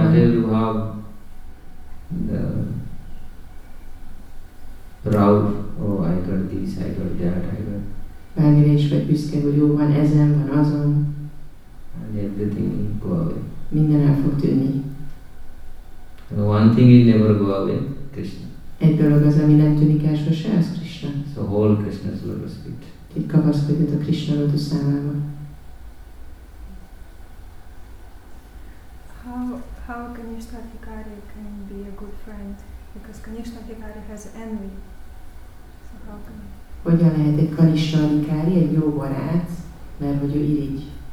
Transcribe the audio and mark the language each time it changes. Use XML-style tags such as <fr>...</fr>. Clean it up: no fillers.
<en>Whatever you have the proud, oh I got this, I got that, I got.</en> <hu>Bármire is vagy büszke, hogy jó, van ezen, van azon.</hu> <en>And everything will go away.</en> <hu>Minden el fog tűnni.</hu> <en>The one thing is never go away, Krishna.</en> <hu>Egy dolog az, ami nem tűnik el sose, az Krishna.</hu> <en>So hold Krishna's lotus feet.</en> <hu>Itt kapaszkodjat a Krishna lotus számába.</hu> <en>How Kanishtha Bhikkhari can be a good friend? Because Kanishtha Bhikkhari has envy. So how can he?</en> <hu>Hogyan lehet egy Kanishtha Bhikkhari egy jó barát, mert hogy ő irigy?</hu>